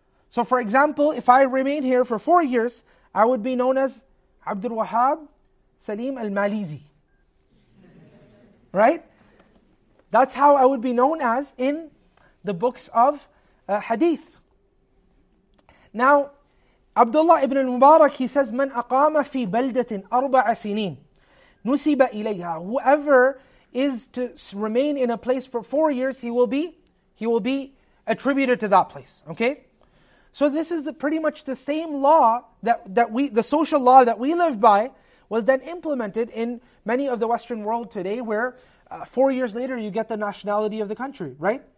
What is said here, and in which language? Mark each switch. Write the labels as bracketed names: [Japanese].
[English] So for example, if I remain here for 4 years, I would be known as Abdul Wahhab Salim Al-Malizi. Right? That's how I would be known as in the books of Hadith. [Arabic] Now, Abdullah ibn al-Mubarak, [English] he says, [Arabic] مَنْ أَقَامَ فِي بَلْدَةٍ أَرْبَعَ سِنِينَ نُسِبَ إِلَيْهَا. [English] Whoever is to remain in a place for 4 years, he will be attributed to that place. Okay? So this is pretty much the same law the social law that we live by was then implemented in many of the Western world today, where 4 years later you get the nationality of the country, right?